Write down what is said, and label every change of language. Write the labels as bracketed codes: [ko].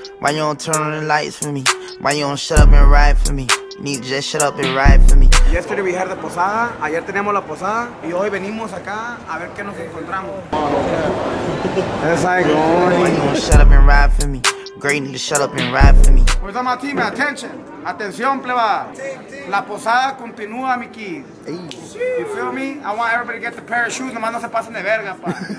[en] Why you don't turn on the lights for me? Why you don't shut up and ride for me? Need to just shut up and ride for me. Yesterday we had the posada. [es] Ayer teníamos la posada. Y hoy venimos acá a ver qué nos encontramos. [en] That's like going. Why you don't shut up and ride for me? Great, need to shut up and ride for me. Where's my team? Attention. [es] Atención, pleba. La posada continúa, mi kid. [en] Hey. You feel me? I want everybody to get the pair of shoes. [es] Nomás no se pasen de verga, pa.